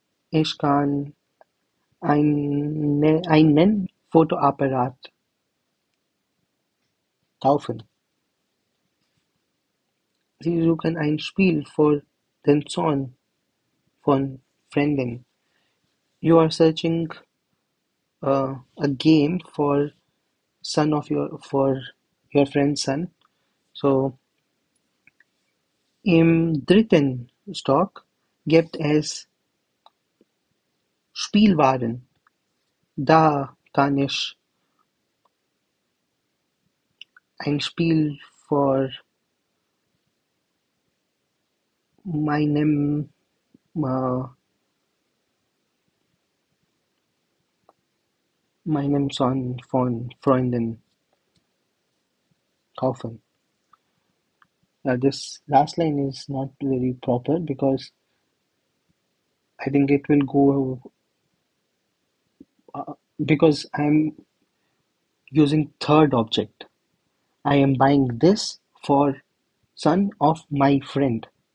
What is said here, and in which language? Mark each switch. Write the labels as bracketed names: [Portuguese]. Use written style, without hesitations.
[German] Ich kann einen Fotoapparat kaufen. Sie suchen ein Spiel für den Sohn von Freunden. [English] You are searching a game for son of your for your friend's son. [German] So im dritten Stock gibt es Spielwaren. Da kann ich ein Spiel für meinem meinem Sohn von Freunden kaufen. [English] Now this last line is not very proper because I think it will go because I'm using third object. I am buying this for son of my friend.